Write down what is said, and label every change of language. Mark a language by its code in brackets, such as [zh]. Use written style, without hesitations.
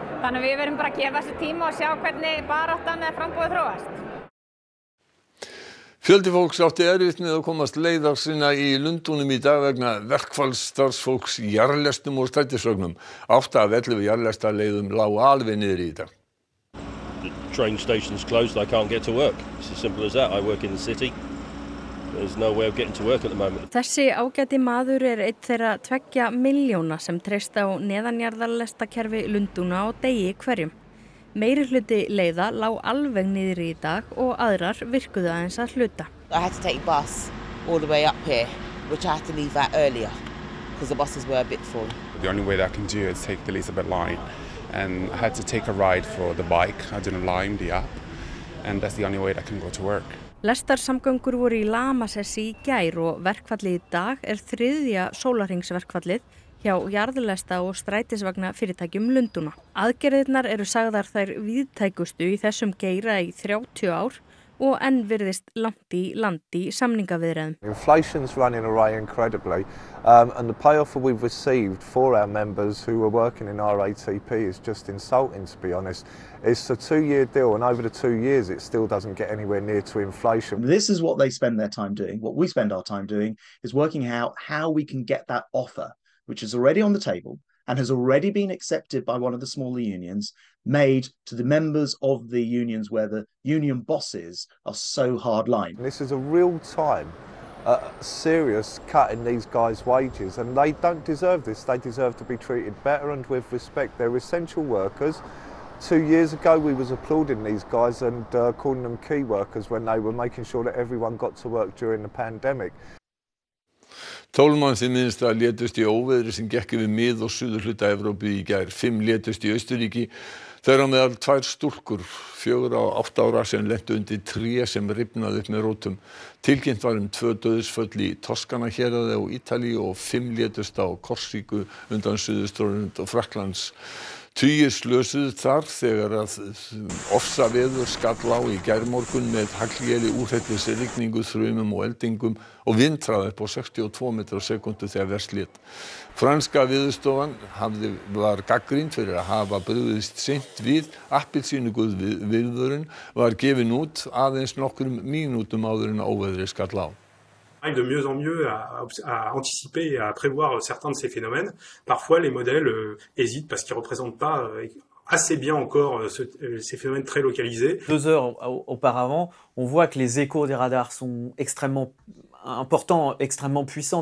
[is] Þannig að við verum bara að gefa þessi tíma og sjá hvernig baráttan eða framboðið þróast. Fjöldi fólks átti erfitt með að komast leiðar sinna í Lundúnum í dag vegna verkfalls starfsfólks jarlestum og strætisvögnum. 8 af 11 jarlestaleiðum lá alveg niður í dag. [en] The train station's closed, I can't get to work. It's as simple as that. I work in the city. there's no way of getting to work at the moment. [is] Þessi ágæti maður einn þeirra 2 milljóna sem treysta á neðanjarðarlestakerfi Lundúna á degi hverjum. Meiri hluti leiða lá alveg niður í dag og aðrar virkuðu aðeins að hluta. [en] I had to take bus all the way up here, which I had to leave at earlier, because the buses were a bit full. The only way that I can do is take the Elizabeth line, and I had to take a ride for the bike, I didn't line the app, and that's the only way that I can go to work. [is] Lestarsamgöngur voru í lamasessi í gær og verkfallið í dag þriðja sólarhringsverkfallið hjá jarðlesta og strætisvagna fyrirtækjum Lundúna. Aðgerðirnar eru sagðar þær víðtækustu í þessum geira í 30 ár og enn virðist langt í landi samningaviðræðum. [en] Inflation's running away incredibly and the payoff we've received for our members who were working in RATP is just insulting to be honest. It's a 2-year deal and over the 2 years it still doesn't get anywhere near to inflation. This is what they spend their time doing. What we spend our time doing is working out how we can get that offer which is already on the table and has already been accepted by one of the smaller unions made to the members of the unions where the union bosses are so hard-line. This is a real time serious cut in these guys' wages and they don't deserve this. They deserve to be treated better and with respect. They're essential workers. 2 years ago we was applauding these guys and calling them key workers when they were making sure that everyone got to work during the pandemic. [is] 12 manns í minnsta létust í óveðri sem gekk yfir mið- og suðurhluta Evrópu í gær. 5 létust í Austurríki. Þeir á meðal 2 stúlkur, 4 og 8 ára sem lentu undir tré sem rifnaði upp með rótum. Tilkynnt var 2 dauðsföll í Toskana héraði og Ítalíu og 5 létust á Korsíku undan suðurströnd og Frakklands. Tugir slösuðu þar þegar að ofsaveður skall á í gærmorgun með hagljeli úrhellis rigningu, þrumum og eldingum og vindhraði upp á 62 metra á sekundu þegar verst lét. Franska veðurstofan var gagnrýnd fyrir að hafa brugðist seint við, appelsínuguð viðvörun var gefin út aðeins nokkrum mínútum áður en óveðri skall á. [fr] De mieux en mieux à anticiper et à prévoir certains de ces phénomènes. Parfois, les modèles hésitent parce qu'ils ne représentent pas assez bien encore ces phénomènes très localisés. 2 heures auparavant, on voit que les échos des radars sont extrêmement importants, extrêmement puissants.